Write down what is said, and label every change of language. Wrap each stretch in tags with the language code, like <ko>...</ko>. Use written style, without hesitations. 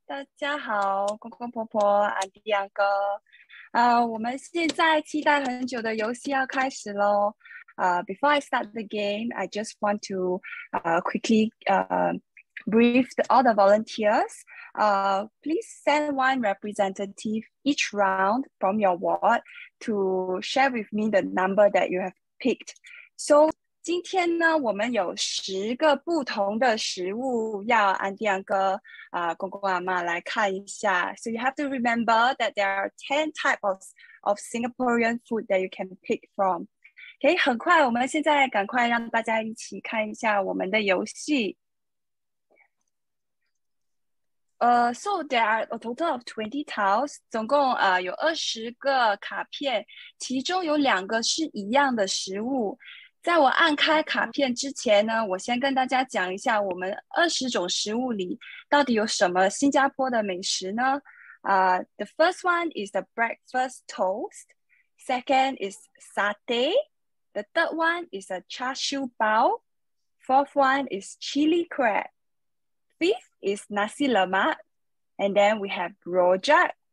<zh>大家好，公公婆婆，阿弟阿哥。我们现在期待很久的游戏要开始咯。</zh> <en>Before I start the game, I just want to quickly brief all the volunteers. Please send one representative each round from your ward. To share with me the number that you have picked.</en> <zh>So, 今天呢，我们有十个不同的食物要安迪安哥啊，公公阿妈来看一下。</zh> <en>So you have to remember that there are 10 types of Singaporean food that you can pick from.</en> <zh>Okay, 很快，我们现在赶快让大家一起看一下我们的游戏。</zh> <en>So there are a total of 20 tiles,</en> <zh>总共有20个卡片，其中有两个是一样的食物。在我按开卡片之前呢，我先跟大家讲一下我们20种食物里到底有什么新加坡的美食呢？</zh> <en>The first one is the breakfast toast, second is satay, the third one is a char siu bao, fourth one is chili crab. Fifth is nasi lemak, and then we have rojak.</en>